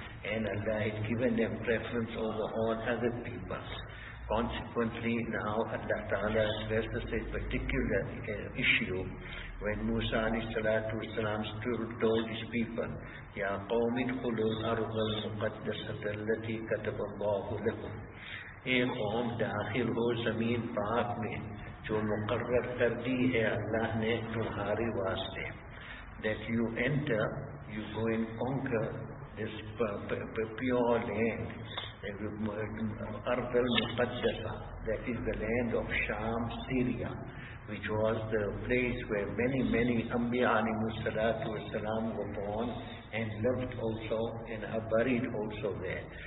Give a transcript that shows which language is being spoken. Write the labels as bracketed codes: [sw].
[en] And Allah had given them preference over all other peoples. Consequently, now Allah ta'ala addresses a particular issue when Musa alayhi salatu wa salam told his people, [ar] يا قوم ادخلوا الأرض المقدسة التي كتب الله لكم. [ur] اے قوم داخل ہو زمین پاک میں جو مقرر کر دی ہے اللہ نے تمہارے واسطے. [en] That you enter, you go and conquer this pure land. Ardal Muqaddasa, that is the land of Sham, Syria, which was the place where many, many Anbiya alayhimus salatu was salam were born and lived also and are buried also there.